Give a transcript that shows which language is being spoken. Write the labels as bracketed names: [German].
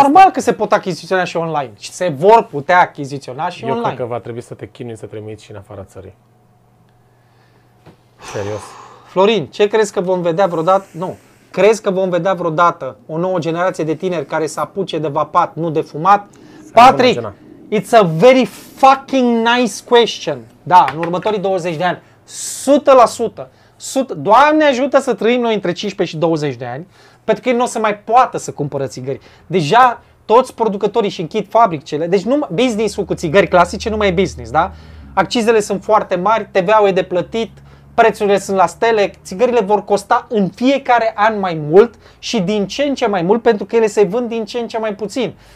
[Romanian] normal că se pot achiziționa și online. Și se vor putea achiziționa și eu online. Eu cred că va trebui să te chinui să trimiți și în afara țării. Serios. Florin, ce crezi că vom vedea vreodată? Nu. Crezi că vom vedea vreodată o nouă generație de tineri care să apuce de vapat, nu de fumat? [English] Patrick, it's a very fucking nice question. [Romanian] Da, în următorii 20 de ani, 100%. Doamne ajută să trăim noi între 15 și 20 de ani, pentru că ei nu o să mai poată să cumpără țigări. Deja toți producătorii și închid fabricele, deci nu, business-ul cu țigări clasice nu mai e business, da? Accizele sunt foarte mari, TVA-ul e de plătit, prețurile sunt la stele, țigările vor costa în fiecare an mai mult și din ce în ce mai mult, pentru că ele se vând din ce în ce mai puțin.